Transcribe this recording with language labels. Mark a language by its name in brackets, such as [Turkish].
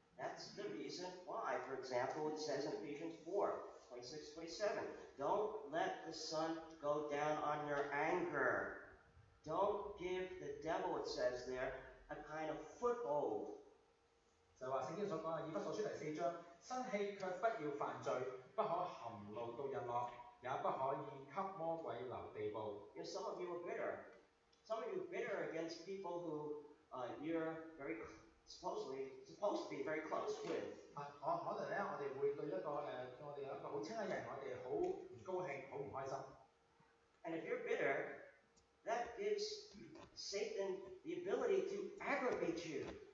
[English] That's the reason why, for example, it says in Ephesians 4, 26, 27, don't let the sun go down on your anger. Don't give the devil, it says there, a kind of foothold. [Cantonese] 就話聖經所講，以弗所書第4章，生氣卻不要犯罪，不可含怒到日落，也不可以給魔鬼留地步。 [English] If some of you are bitter, some of you are bitter against people who you're very supposed to be very close with. [Cantonese] 可能咧，我哋會對一個好親嘅人，我哋好唔高興，好唔開心。 [English] And if you're bitter, that gives Satan the ability to aggravate you.